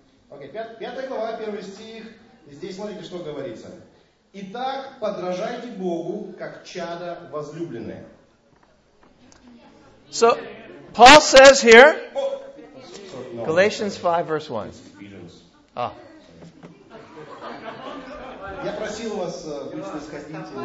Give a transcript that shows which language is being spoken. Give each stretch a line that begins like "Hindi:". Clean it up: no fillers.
Russian: Окей, пятая глава, первый стих. Здесь смотрите, что говорится. Итак, подражайте Богу, как чада возлюбленные.
English: So, Paul says here, Galatians 5, verse 1. Ah.
Russian: Я просил вас быстро сходить.